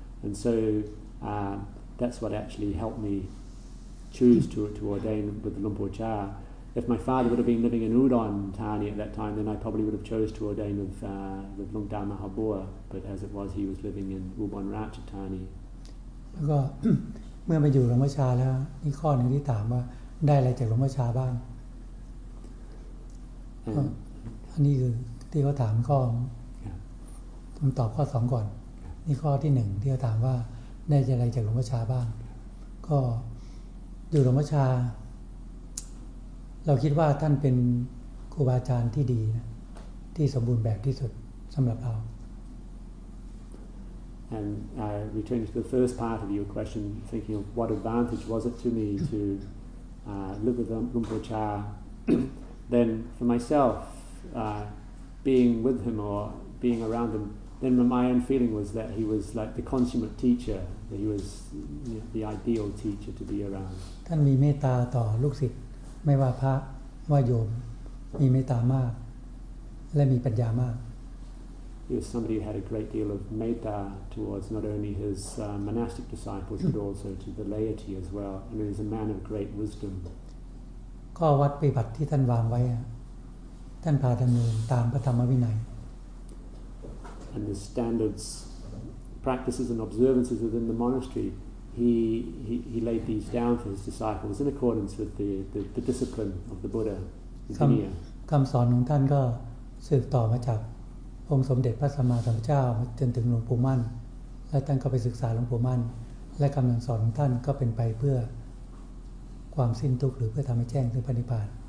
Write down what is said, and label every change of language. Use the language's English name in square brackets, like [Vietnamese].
[English] And so that's what actually helped me choose to ordain with the Lumpur Cha. If my father would have been living in Udon Thani at that time, then I probably would have chose to ordain with Lungta Mahabua. But as it was, he was living in Ubon Ratchathani. [Thai] แล้วก็เมื่อไปอยู่หลวงพ่อชาแล้วนี่ข้อหนึ่งที่ถามว่าได้อะไรจากหลวงพ่อชาบ้างอันนี้คือที่เขาถามข้อคำตอบข้อสองก่อนนี่ข้อที่หนึ่งที่เขาถามว่าได้อะไรจากหลวงพ่อชาบ้างก็อยู่หลวงพ่อชาเราคิดว่าท่านเป็นครูบาอาจารย์ที่ดีนะที่สมบูรณ์แบบที่สุดสำหรับเรา [English] And returning to the first part of your question, thinking of what advantage was it to me to live with Lumpur Cha, then for myself, being with him or being around him, then my own feeling was that he was like the consummate teacher, that he was, you know, the ideal teacher to be around. [Thai] ท่านมีเมตตาต่อลูกศิษย์ไม่ว่าพระว่าโยมมีเมตตามากและมีปัญญามาก [English] He was somebody who had a great deal of metta towards not only his monastic disciples but also to the laity as well, and he was a man of great wisdom. [Thai] ข้อวัดปฏิบัติที่ท่านวางไว้ท่านพาดำเนินตามพระธรรมวินัย [English] And the standards, practices, and observances within the monastery, he laid these down for his disciples in accordance with the discipline of the Buddha, the Vinaya. [Thai] คำสอนของท่านก็สืบต่อมาจากองค์สมเด็จพระสัมมาสัมพุทธเจ้าจนถึงหลวงปู่มั่นและท่านก็ไปศึกษาหลวงปู่มั่นและคำสอนของท่านก็เป็นไปเพื่อความสิ้นทุกข์หรือเพื่อทำให้แจ้งถึงพระนิพพาน